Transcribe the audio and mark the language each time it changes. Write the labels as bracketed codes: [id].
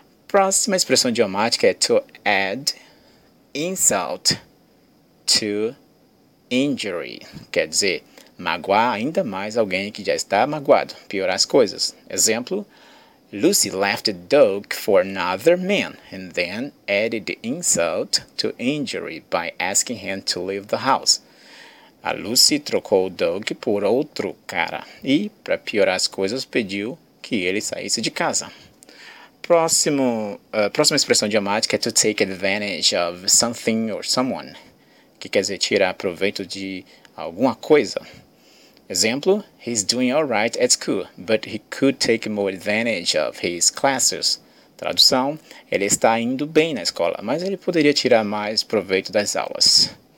[pt] próxima expressão idiomática é to add insult to injury. Quer dizer, magoar ainda mais alguém que já está magoado, piorar as coisas. [en] Exemplo, Lucy left the dog for another man and then added insult to injury by asking him to leave the house. [pt] A Lucy trocou o dog por outro cara e, para piorar as coisas, pediu que ele saísse de casa. Próxima expressão idiomática é to take advantage of something or someone, que quer dizer tirar proveito de alguma coisa. [en] Exemplo, he's doing all right at school, but he could take more advantage of his classes. [pt] Tradução, ele está indo bem na escola, mas ele poderia tirar mais proveito das aulas.